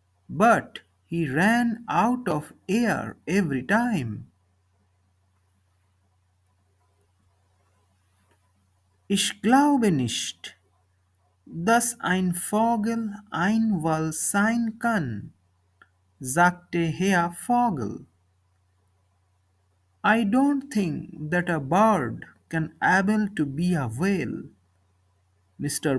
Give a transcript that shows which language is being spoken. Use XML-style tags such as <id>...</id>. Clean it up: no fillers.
<en>But he ran out of air every time.</en> <de>Ich glaube nicht, dass ein Vogel ein Wal sein kann, sagte Herr Vogel.</de> <en>I don't think that a bird can able to be a whale, Mr.</en>